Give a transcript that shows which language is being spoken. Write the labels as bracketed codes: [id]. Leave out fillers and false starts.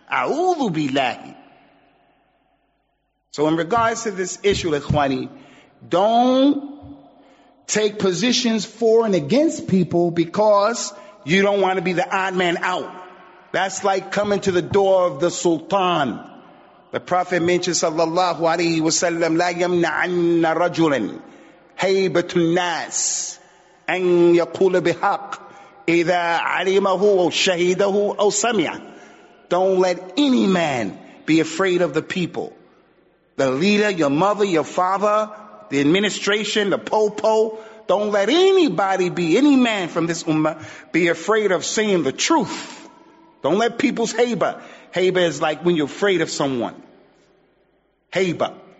[en] A'udhu billahi. So in regards to this issue, ikhwani, don't take positions for and against people because you don't want to be the odd man out. That's like coming to the door of the sultan. The Prophet mentioned [ar] sallallahu alayhi wa sallam, لا يمنع عن رجل هيبة الناس أن يقول بحق إذا علمه أو شهده أو سمع. [en] Don't let any man be afraid of the people. The leader, your mother, your father, the administration, the popo, don't let anybody be, any man from this ummah, be afraid of saying the truth. Don't let people's haybah. Haybah is like when you're afraid of someone. Haybah.